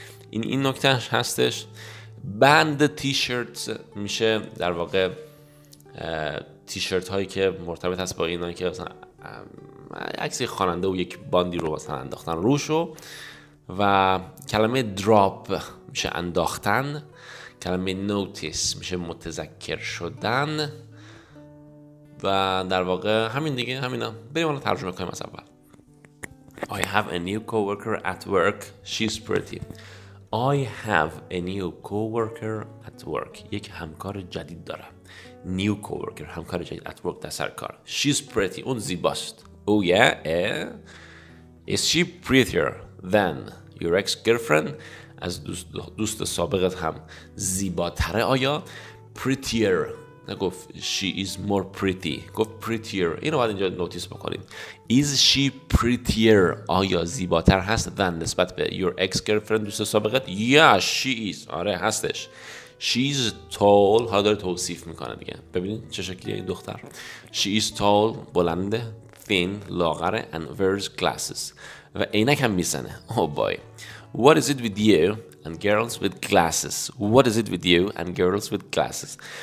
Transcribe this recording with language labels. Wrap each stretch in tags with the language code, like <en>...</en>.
<fa>این نکته هستش. band t-shirt میشه در واقع t-shirt هایی که مرتبط هست با اینا که مثلا عکس خواننده و یک باندی رو مثلا انداختن روش. و کلمه drop میشه انداختن، کلمه notice میشه متذکر شدن، و در واقع همین دیگه، همینا. بریم الان ترجمه کنیم از اول.</fa> <en>I have a new coworker at work. She's pretty. I have a new coworker at work.</en> <fa>یک همکار جدید دارم.</fa> <en>New coworker،</en> <fa>همکار جدید</fa> <en>at work،</en> <fa>در سر کار.</fa> <en>She's pretty.</en> <fa>اون زیباست.</fa> <en>Oh yeah. Is she prettier than your ex-girlfriend؟</en> <fa>از دوست سابقت هم زیباتره آیا؟</fa> <en>prettier نگفت she is more pretty، گفت prettier.</en> <fa>اینو باید اینجا نوتیس بکنید.</fa> <en>is she prettier،</en> <fa>آیا زیباتر هست than نسبت به</fa> <en>your ex-girlfriend،</en> <fa>دوست سابقت؟</fa> <en>yeah she is،</en> <fa>آره هستش.</fa> <en>she is tall،</en> <fa>حالا داره توصیف میکنه دیگه، ببینید چه شکلیه این دختر.</fa> <en>she is tall، بلنده، thin، لاغره، and wears glasses،</en> <fa>و عینک هم میزنه.</fa> <en>oh boy. What is it with you and girls with glasses? What is it with you and girls with glasses?</en>